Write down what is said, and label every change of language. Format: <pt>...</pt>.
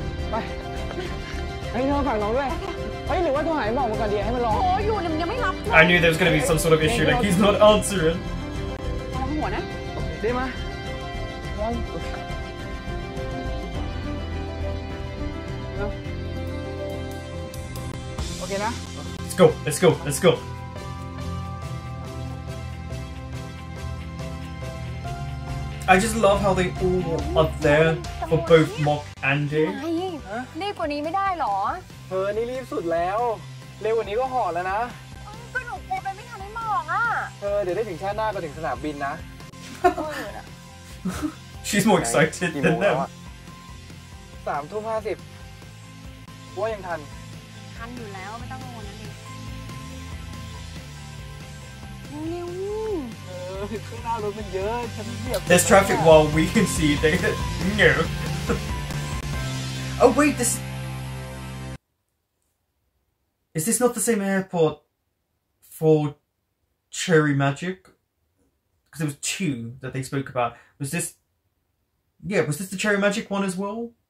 <th>ไปไปเธอฝากน้องด้วยไอ้หรือว่าโทรหาให้บอกมากันดีให้มันรอ โอ้ยอยู่เนี่ยมันยังไม่รับ</th> <en>I knew there was gonna be some sort of issue like he's not answering</en> <th>ได้มั้ยโอเคนะ</th> <en>Let's go Let's go Let's go I just love how they all are there for both Mock and Jay</en> <th>รีบกว่านี้ไม่ได้หรอ เออนี่รีบสุดแล้วเร็วกว่านี้ก็ห่อแล้วนะ สนุกไปไม่ทันได้มองอ่ะ เออเดี๋ยวได้ถึงชาติหน้าก็ถึงสนามบินนะ</th> <en>She's more excited than them.</en> <th>3:50. ว่ายังทัน ทันอยู่แล้วไม่ต้องกังวลนะดิเร็ว เออข้างหน้ารถมันเยอะฉันเหยียบ</th> <en>There's traffic while we can see they knew. Oh wait, this Is this not the same airport for Cherry Magic? Because there was two that they spoke about. Was this... Yeah, was this the Cherry Magic one as well?</en>